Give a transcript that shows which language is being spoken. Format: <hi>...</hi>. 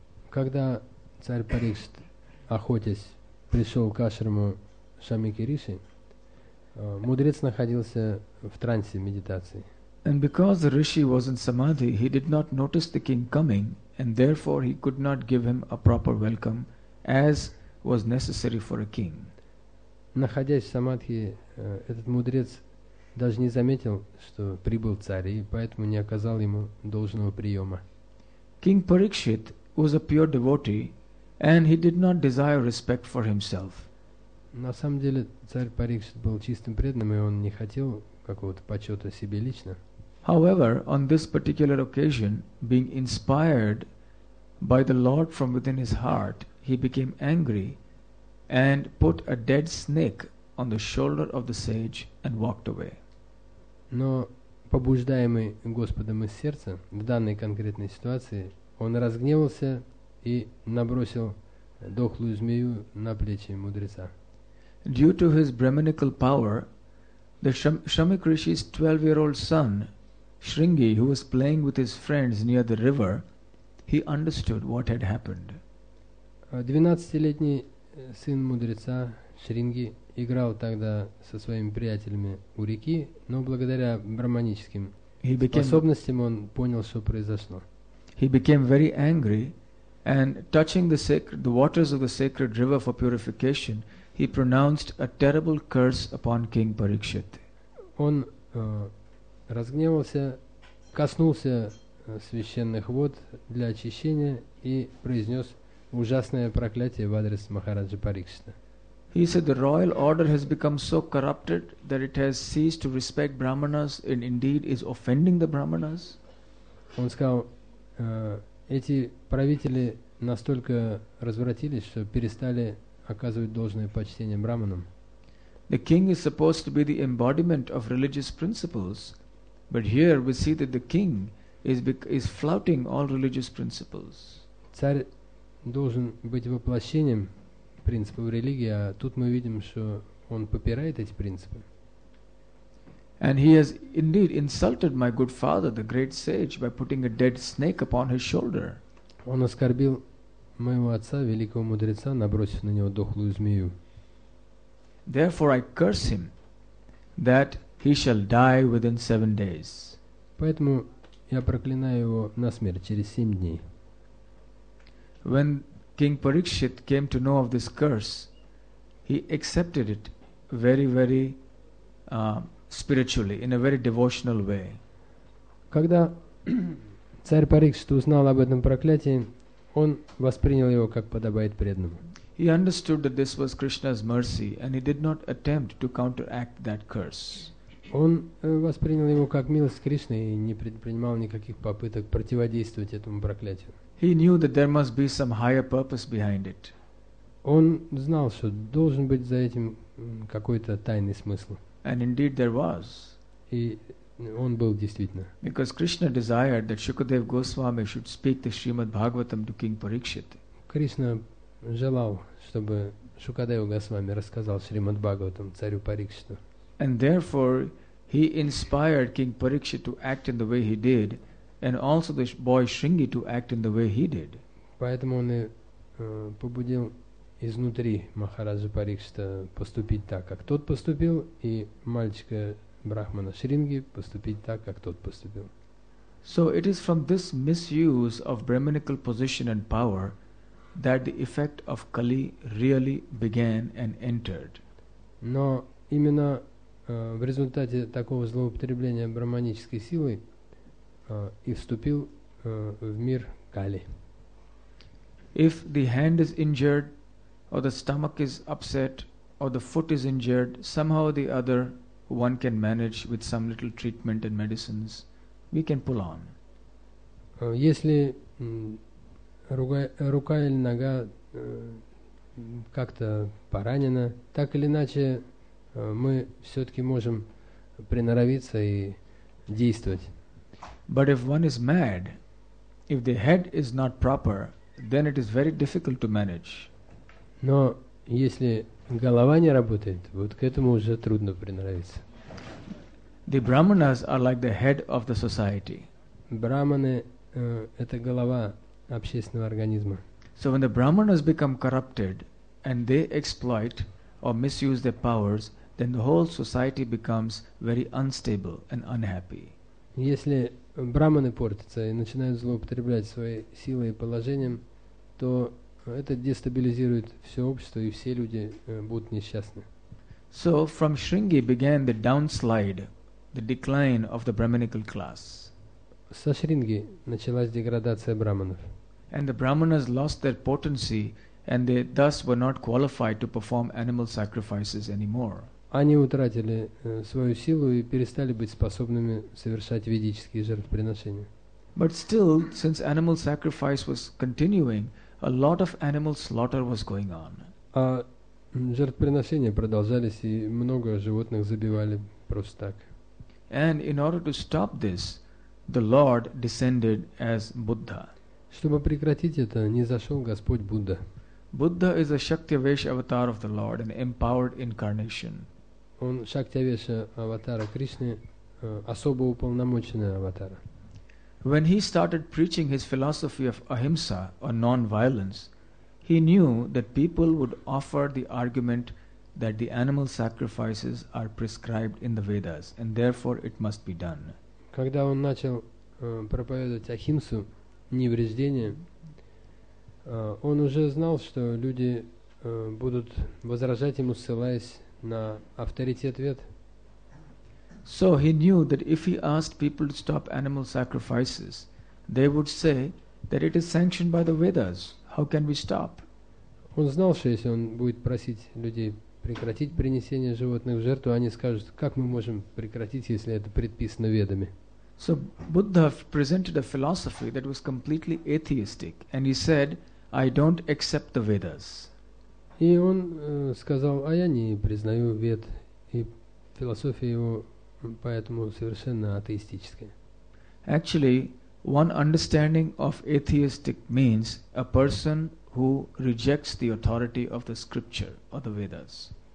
<ru>Когда царь Парикшит, охотясь, пришел к ашраму Шамики Риши, мудрец находился в трансе медитации.</ru> <en>And because the Rishi was in Samadhi, he did not notice the king coming, and therefore he could not give him a proper welcome, as was necessary for a king.</en> <ru>Находясь в Самадхи, этот мудрец даже не заметил, что прибыл царь, и поэтому не оказал ему должного приема.</ru> <en>King Parikshit was a pure devotee, and he did not desire respect for himself.</en> <ru>На самом деле, царь Парикшит был чистым преданным, и он не хотел какого-то почета себе лично.</ru> <en>However, on this particular occasion, being inspired by the Lord from within his heart, he became angry and put a dead snake on the shoulder of the sage and walked away.</en> <ru>Но побуждаемый Господом из сердца, в данной конкретной ситуации, он разгневался и набросил дохлую змею на плечи мудреца.</ru> <en>Due to his brahmanical power, the Shamik Rishi's 12-year-old son, Shringi, who was playing with his friends near the river, he understood what had happened.</en> <ru>12-летний сын мудреца, Шринги, играл тогда со своими приятелями у реки, но благодаря брахманическим способностям он понял, что произошло.</ru> <en>He became very angry, and touching the waters of the sacred river for purification, he pronounced a terrible curse upon King Parikshit.</en> <ru>Он разгневался, коснулся священных вод для очищения и произнес ужасное проклятие в адрес Махараджи Парикшита.</ru> <en>He said the royal order has become so corrupted that it has ceased to respect brahmanas and indeed is offending the brahmanas.</en> <ru>Он сказал, эти правители настолько развратились, что перестали оказывать должное почтение брахманам.</ru> <en>The king is supposed to be the embodiment of religious principles, but here we see that the king is flouting all religious principles.</en> <ru>Царь должен быть воплощением принципов религии, а тут мы видим, что он попирает эти принципы.</ru> <en>And he has indeed insulted my good father, the great sage, by putting a dead snake upon his shoulder.</en> <ru>Он оскорбил моего отца, великого мудреца, набросив на него дохлую змею.</ru> <en>Therefore I curse him, that he shall die within 7 days.</en> <ru>Поэтому я проклинаю его на смерть через 7 дней.</ru> <en>When King Parikshit came to know of this curse, he accepted it very, very spiritually, in a very devotional way.</en> <ru>Когда царь Парикшит узнал об этом проклятии, он воспринял его как подобает преданному.</ru> <en>He understood that this was Krishna's mercy and he did not attempt to counteract that curse.</en> <ru>Он воспринял его как милость Кришны и не предпринимал никаких попыток противодействовать этому проклятию.</ru> <en>He knew that there must be some higher purpose behind it.</en> <ru>Он знал, что должен быть за этим какой-то тайный смысл.</ru> <en>And indeed there was.</en> <ru>И он был действительно.</ru> <en>Because Krishna desired that Shukadev Goswami should speak the Srimad Bhagavatam to King Parikshit.</en> <ru>Кришна желал, чтобы Шукадева Госвами рассказал Шримад Бхагаватам царю Парикшиту.</ru> <en>And therefore he inspired King Parikshit to act in the way he did, and also the boy Shringi to act in the way he did.</en> <ru>Поэтому он и побудил изнутри Махараджа Парикшита поступить так, как тот поступил, и мальчика Брахмана Шринги поступить так, как тот поступил.</ru> <en>So it is from this misuse of brahminical position and power that the effect of Kali really began and entered.</en> <ru>Но именно в результате такого злоупотребления брахманической силой и вступил в мир Кали.</ru> <en>If the hand is injured, or the stomach is upset, or the foot is injured, somehow or the other, one can manage with some little treatment and medicines, we can pull on.</en> <ru>Если рука или нога как-то поранена, так или иначе, мы все-таки можем приноровиться и действовать.</ru> <en>But if one is mad, if the head is not proper, then it is very difficult to manage.</en> <ru>Но если голова не работает, вот к этому уже трудно приноровиться.</ru> <en>The brahmanas are like the head of the society.</en> <ru>Брахманы это голова общественного организма.</ru> <en>So when the brahmanas become corrupted and they exploit or misuse their powers, then the whole society becomes very unstable and unhappy.</en> <ru>Если брахманы портятся и начинают злоупотреблять своей силой и положением, то это дестабилизирует все общество и все люди будут несчастны.</ru> <en>So from Shringi began the downslide, the decline of the brahminical class.</en> <ru>Со Шринги началась деградация брахманов.</ru> <en>And the brahmanas lost their potency and they thus were not qualified to perform animal sacrifices anymore.</en> <ru>Они утратили свою силу и перестали быть способными совершать ведические жертвоприношения.</ru> <en>But still, since animal sacrifice was continuing, a lot of animal slaughter was going on.</en> <ru>А жертвоприношения продолжались и много животных забивали просто так.</ru> <en>And in order to stop this, the Lord descended as Buddha.</en> <ru>Чтобы прекратить это, низошел Господь Будда.</ru> <en>Buddha is a Shaktyavesha avatar of the Lord, an empowered incarnation.</en> <ru>Он Шактявеша аватара Кришны, особо уполномоченный аватар.</ru> <en>When he started preaching his philosophy of ahimsa or non-violence, he knew that people would offer the argument that the animal sacrifices are prescribed in the Vedas and therefore it must be done.</en> <ru>Когда он начал проповедовать ахимсу, невреждение, он уже знал, что люди будут возражать ему, ссылаясь на авторитет вед.</ru> <en>So he knew that if he asked people to stop animal sacrifices, they would say that it is sanctioned by the Vedas. How can we stop?</en> <ru>Он знал, что если он будет просить людей прекратить принесение животных в жертву, они скажут, как мы можем прекратить, если это предписано ведами.</ru> <en>So Buddha presented a philosophy that was completely atheistic, and he said, I don't accept the Vedas.</en> <ru>И он сказал, а я не признаю вед, и философия его поэтому совершенно атеистическая.</ru> <en>Actually, one understanding of atheistic means a person who rejects the authority of the scripture or the Vedas.</en>